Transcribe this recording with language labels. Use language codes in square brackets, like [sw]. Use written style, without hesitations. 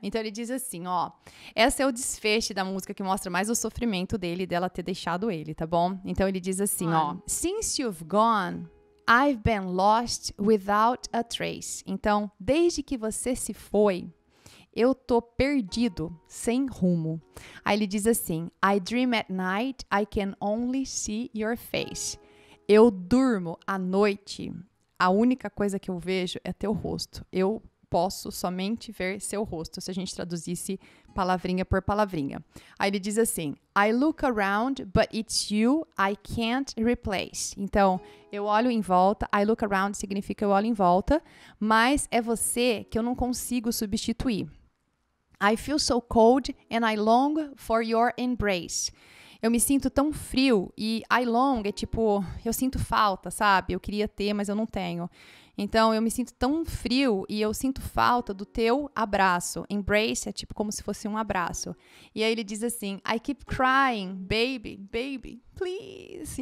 [pt] Então ele diz assim, ó, essa é o desfecho da música que mostra mais o sofrimento dele, dela ter deixado ele, tá bom? Então ele diz assim, ó, [en] since you've gone, I've been lost without a trace. [pt] Então, desde que você se foi, eu tô perdido, sem rumo. Aí ele diz assim, [en] I dream at night, I can only see your face. [pt] Eu durmo à noite, a única coisa que eu vejo é teu rosto. Eu posso somente ver seu rosto, se a gente traduzisse palavrinha por palavrinha. Aí ele diz assim, [en] I look around, but it's you I can't replace. [pt] Então, eu olho em volta, [en] I look around [pt] significa eu olho em volta, mas é você que eu não consigo substituir. [en] I feel so cold and I long for your embrace. [pt] Eu me sinto tão frio e [en] I long [pt] é tipo, eu sinto falta, sabe? Eu queria ter, mas eu não tenho. Então, eu me sinto tão frio e eu sinto falta do teu abraço. Embrace é tipo como se fosse um abraço. E aí ele diz assim, [en] I keep crying, baby, baby, please.